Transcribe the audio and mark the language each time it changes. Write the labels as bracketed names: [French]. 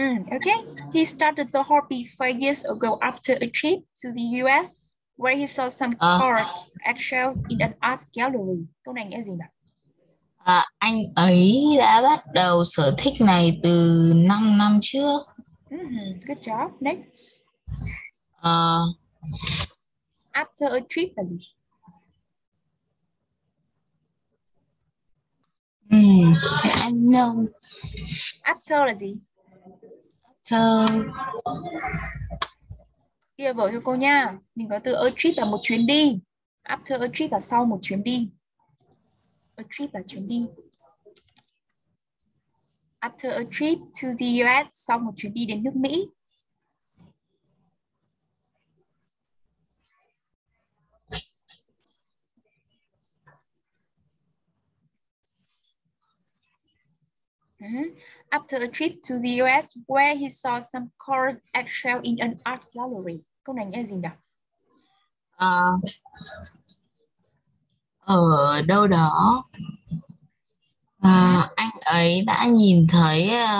[English] Ok, he started the hobby 5 years ago after a trip to the US where he saw some carved eggshells in an art gallery. [Vietnamese] Câu này nghĩa gì nào? À, anh ấy đã bắt đầu sở thích này từ 5 năm trước. [English] Good job. Next. [Vietnamese] After a trip là gì? [English] I know. [Vietnamese] After là gì? [English] After. [Vietnamese] Kia vở cho cô nha. Mình có từ a trip là một chuyến đi. After a trip là sau một chuyến đi. A trip là chuyến đi. [English] After a trip to the US, [Vietnamese] sau một chuyến đi đến nước Mỹ. [English] After a trip to the US, where he saw some carved eggshell in an art gallery. [Vietnamese] Câu này nghĩa gì nhỉ? Ở đâu đó anh ấy đã nhìn thấy